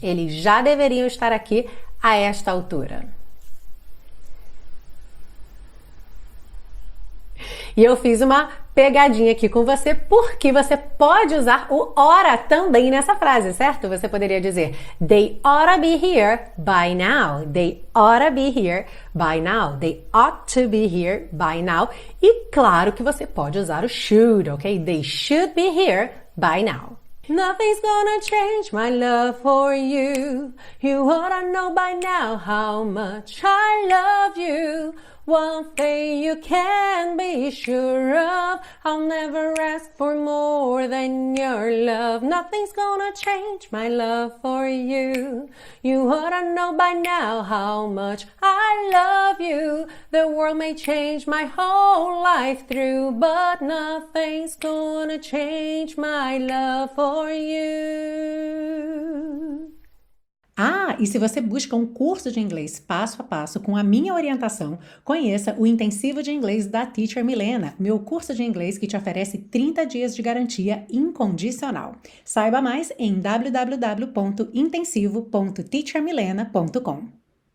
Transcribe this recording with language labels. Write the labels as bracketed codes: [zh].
[pt] Eles já deveriam estar aqui a esta altura. E eu fiz uma pegadinha aqui com você, porque você pode usar o ora também nessa frase, certo? Você poderia dizer, [en] they ought to be here by now. They ought to be here by now. They ought to be here by now. [pt] E claro que você pode usar o should, ok? [en] They should be here by now. Nothing's gonna change my love for you. You ought to know by now how much I love you. One thing you can be sure of, I'll never ask for more than your love. Nothing's gonna change my love for you. You ought to know by now how much I love you. The world may change my whole life through, but nothing's gonna change my love for you. [pt] Ah, e se você busca um curso de inglês passo a passo com a minha orientação, conheça o Intensivo de Inglês da Teacher Milena, meu curso de inglês que te oferece 30 dias de garantia incondicional. Saiba mais em www.intensivo.teachermilena.com.